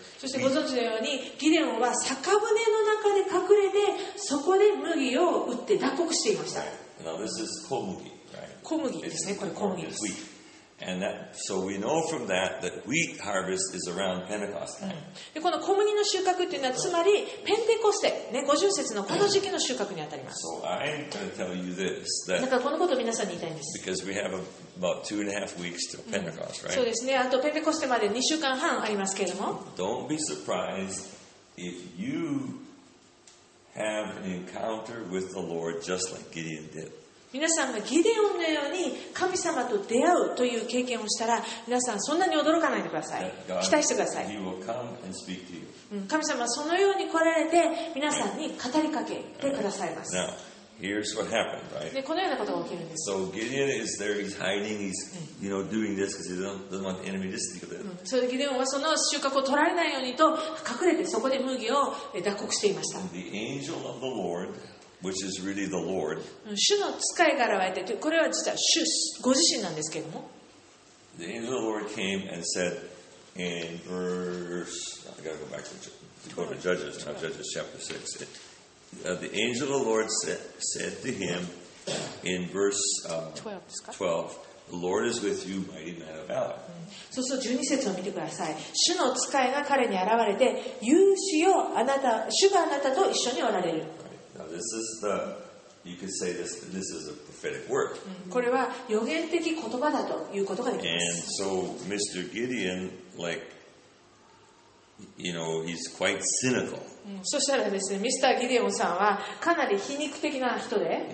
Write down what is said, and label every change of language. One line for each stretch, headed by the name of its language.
Japanese: そしてご存知のようにギデオンは酒舟の中で隠れてそこで麦を売って脱穀していました。
English: Right. Now this is 小麦, right?
Japanese: 小麦ですね。これ小麦です。
English: And that, so we know from that that wheat harvest is around Pentecost time.
Japanese: でこの小麦の収穫っていうのはつまりペンテコステね50節のこの時期の収穫にあたります。
English: So I'm going to tell you this.
Japanese: だからこのことを皆さんに言いたいんです。
English: Because we have about 2.5 weeks to Pentecost, right?
Japanese: そうですね。あとペンテコステまで2週間半ありますけれども。
English: Don't be surprised if you have an encounter with the Lord just like Gideon did.
Japanese: 皆さんがギデオンのように神様と出会うという経験をしたら皆さんそんなに驚かないでください期待してください神様はそのように来られて皆さんに語りかけてくださいます
English: Now, here's what happened, right?
Japanese: でこのようなことが起きるんです
English: So Gideon is there, he's hiding, he's you know, doing this because he doesn't want the enemy to steal it.
Japanese: そうギデオンはその収穫を取られないようにと隠れてそこで麦を脱穀していました
English: The angel of the Lord,Which is really the Lord.
Japanese: 主の使いが現れて、これは実は主ご自身なんですけれども。
English: The angel of the Lord came and said in verse... I got to go back to Judges, now Judges chapter 6. The angel of the Lord said to him in verse 12, The Lord is with you, mighty man of valor.
Japanese: そうそう、十二節を見てください。主の使いが彼に現れて、勇士よ、あなた、主があなたと一緒におられる。
English: Now this is the, you could say this, this is a prophetic word.
Japanese: これは予言的言葉だということができます。
English: And so Mr. Gideon, like, you know, he's quite cynical.
Japanese: そしたらですね、ミスター・ギディオンさんはかなり皮肉的な人で。